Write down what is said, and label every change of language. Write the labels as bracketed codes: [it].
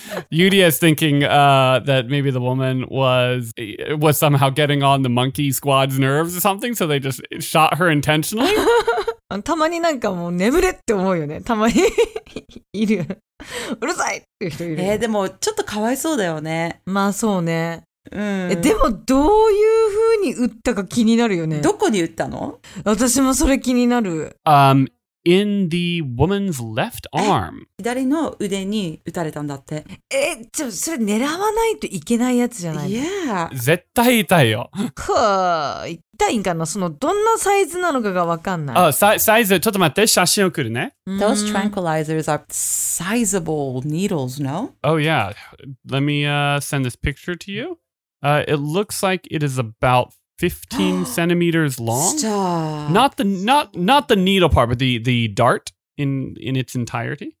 [en] Yuri is thinking that maybe the woman was somehow getting on the monkey squad's nerves or something, so they just shot her intentionally. [ja] たまになんかもう眠れって思うよね。たまにいる。うるさいっていう人いる、でもちょっとかわいそうだよね。まあそうね、うん、でもどういう風に打ったか気になるよね。どこに打ったの？私もそれ気になる。 [en] In the woman's left arm. [ja] 左の腕に打たれたんだって。ちょ、それ狙わないといけないやつじゃない？いや、 [en] yeah. [ja] 絶対痛いよ。はぁ、痛いんかな。そのどんなサイズなのかがわかんない。あ、サイズ、ちょっと待って、写真送るね。 [en] Those tranquilizers are sizable needles, no? Oh yeah, let me send this picture to you. It looks like it is about 15 centimeters long. Stop. Not the needle part, but the dart in its entirety.